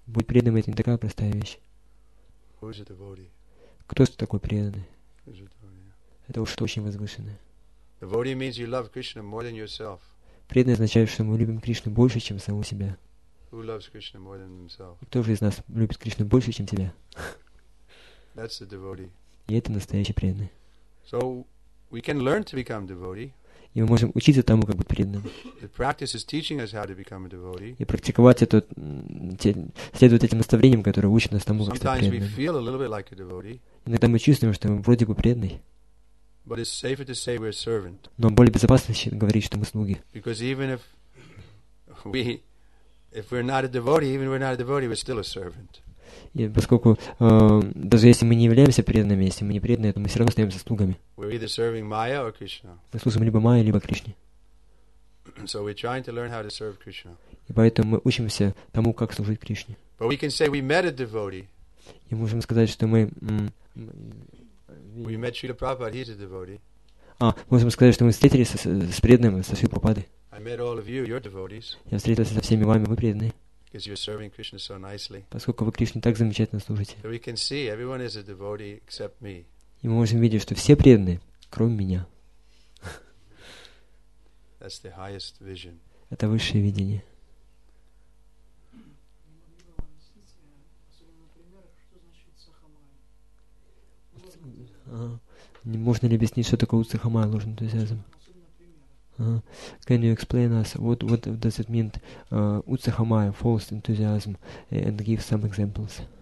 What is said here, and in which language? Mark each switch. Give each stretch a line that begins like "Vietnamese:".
Russian: Быть преданным это не такая простая вещь.
English: Who is a devotee?
Russian: Кто же такой преданный?
English: Who's a devotee?
Russian: Это уж что очень возвышенное.
English: Devotee means you love Krishna more than yourself.
Russian: Преданный означает, что мы любим Кришну больше, чем саму себя.
English: Who loves Krishna more than himself?
Russian: Кто же из нас любит Кришну больше, чем тебя?
English: That's the devotee.
Russian: И это настоящий преданный.
English: So we can learn to become devotee.
Russian: И мы можем учиться тому, как быть преданным.
English: The practice is teaching us how to become a devotee.
Russian: И практиковать это, следовать этим наставлениям, которые учат нас тому, как стать преданным.
English: Sometimes we feel a little bit like a devotee.
Russian: Иногда мы чувствуем, что мы вроде бы преданный.
English: But it's safer to say we're servant.
Russian: Но более безопасно говорить, что мы слуги.
English: Because even if we're not a devotee, even if we're not a devotee, we're still a servant.
Russian: И поскольку даже если мы не являемся преданными, если мы не преданные, то мы все равно остаемся слугами. Мы служим либо Майе, либо Кришне.
English: So we're trying to learn how to serve Krishna.
Russian: И поэтому мы учимся тому, как служить Кришне.
English: But we can say we met a devotee.
Russian: И можем сказать, что мы
English: We met Srila Prabhupada, he's a devotee.
Russian: А, можем сказать, что мы встретились с преданным, со Шрилой Прабхупадой.
English: I met all of you, you're devotees.
Russian: Я встретился со всеми вами, вы преданные.
English: Because you're serving Krishna so nicely.
Russian: Поскольку вы Кришне так замечательно служите.
English: So we can see everyone is a devotee except me.
Russian: И мы можем видеть, что все преданные, кроме меня.
English: That's the highest vision.
Russian: Это высшее видение. Не можно ли объяснить, что такое уцахамая ложный энтузиазм?
English: Can you explain us what does it mean уцахамая false enthusiasm and give some examples?